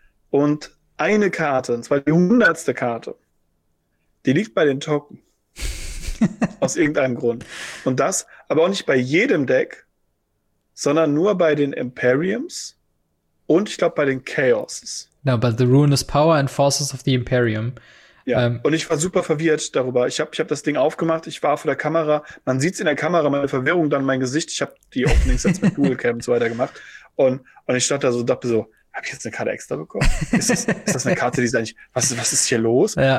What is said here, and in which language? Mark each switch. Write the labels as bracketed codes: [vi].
[de] Und eine Karte, und zwar die 100. Karte, die liegt bei den Token. Aus irgendeinem Grund. Und das aber auch nicht bei jedem Deck, sondern nur bei den Imperiums und ich glaube bei den Chaoses. [en] No, but the ruinous power and forces of the Imperium. [de] Ja, und ich war super verwirrt darüber. Ich hab das Ding aufgemacht, ich war vor der Kamera. Man sieht's in der Kamera, meine Verwirrung dann mein Gesicht. Ich habe die Openings jetzt mit Google Cam und so weiter gemacht. Und ich stand da so, dachte so, habe ich jetzt eine Karte extra bekommen? Ist das eine Karte, die ist eigentlich, was ist hier los? Ja.